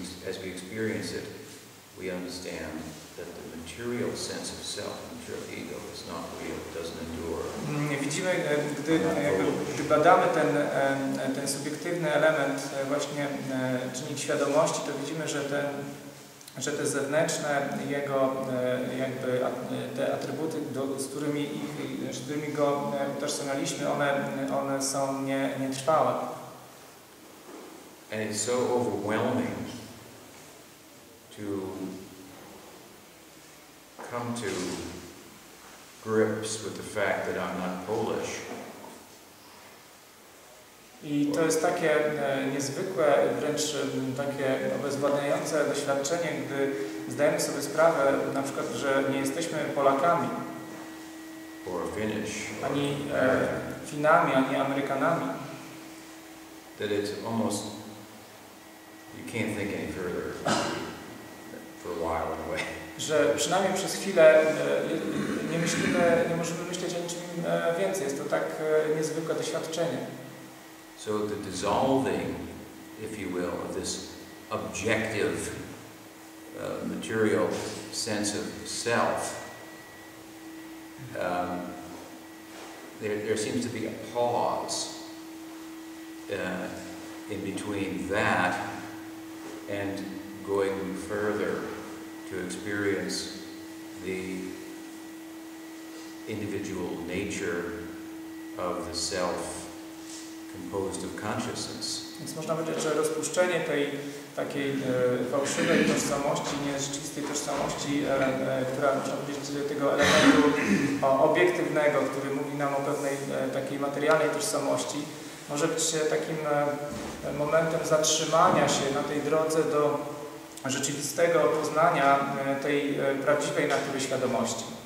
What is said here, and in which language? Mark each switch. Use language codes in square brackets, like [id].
[en] as we experience it, we understand that the material sense of self, material ego, is not real, doesn't endure. [pl] Widzimy, gdy badamy ten subiektywny element właśnie czynnik świadomości, to widzimy, że te zewnętrzne jego jakby te atrybuty, z którymi go utożsamialiśmy, one są nietrwałe. [en] And it's so overwhelming to come to grips with the fact that I'm not Polish. [pl] I to jest takie niezwykłe, wręcz takie obezwładniające doświadczenie, gdy zdajemy sobie sprawę, na przykład, że nie jesteśmy Polakami. [en] Or Finnish, or [pl] ani Finami, ani Amerykanami. [en] That it's almost you can't think any further for a while anyway. [pl] Że przynajmniej przez chwilę nie myślimy, nie możemy myśleć o niczym więcej. Jest to tak niezwykłe doświadczenie. [en] So the dissolving, if you will, of this objective material sense of self, there seems to be a pause in between that and going further to experience the individual nature of the self composed of consciousness. [pl] Więc można powiedzieć, że rozpuszczenie tej takiej fałszywej tożsamości, nierzeczywistej tożsamości, która można powiedzieć do tego elementu obiektywnego, który mówi nam o pewnej takiej materialnej tożsamości, może być takim momentem zatrzymania się na tej drodze do rzeczywistego poznania tej prawdziwej natury świadomości.